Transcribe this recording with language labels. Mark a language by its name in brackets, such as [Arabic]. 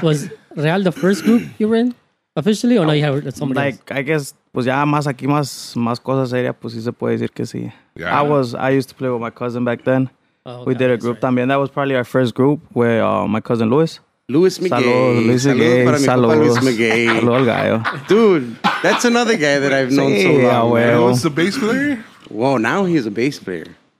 [English] Was Real the first group you were in officially? Or no, you had somebody like, else? I guess, [Spanish] pues ya más aquí, más cosas seria, pues sí se puede decir que sí. [English] Yeah. I used to play with my cousin back then. Oh, we did a group también. That was probably our first group with my cousin Luis. [Spanish] Luis Miguel. Saludos, Luis Miguel. [English] Dude, that's another guy that I've known so long. Yeah, well. Was the bass player? Well, now he's a bass player.